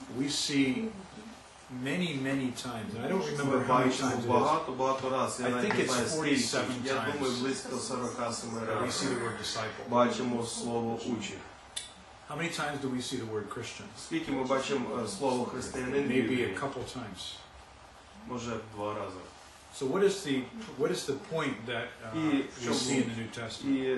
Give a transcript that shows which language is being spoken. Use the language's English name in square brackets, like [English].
[English] we see many, many times, and I don't remember how many times it [Ukrainian] was. Багато раз. [English] I think it's 47 times. [Ukrainian] Я думаю, близько 47 разів. [English] We see the word disciple. [Ukrainian] Бачимо слово учень. [English] How many times do we see the word Christian? [Ukrainian] Скільки ми бачимо слово християнин? [English] Maybe a couple times. [Ukrainian] Може, два рази. [English] So what is the point that you see in the New Testament?